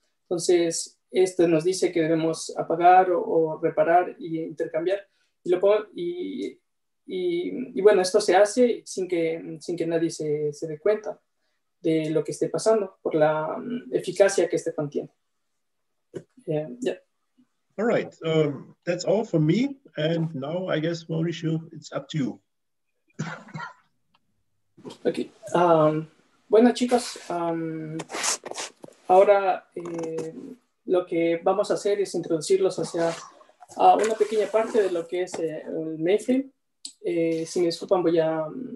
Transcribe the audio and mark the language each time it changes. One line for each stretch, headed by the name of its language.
Spanish: Entonces, esto nos dice que debemos apagar o reparar e intercambiar. Y bueno, esto se hace sin que nadie se dé cuenta de lo que esté pasando por la eficacia que este PAN tiene.
English: All right, that's all for me. And now I guess, Mauricio, it's up to you. Ok.
Spanish: Bueno, chicos, ahora lo que vamos a hacer es introducirlos hacia una pequeña parte de lo que es el mainframe. Si me disculpan, voy a...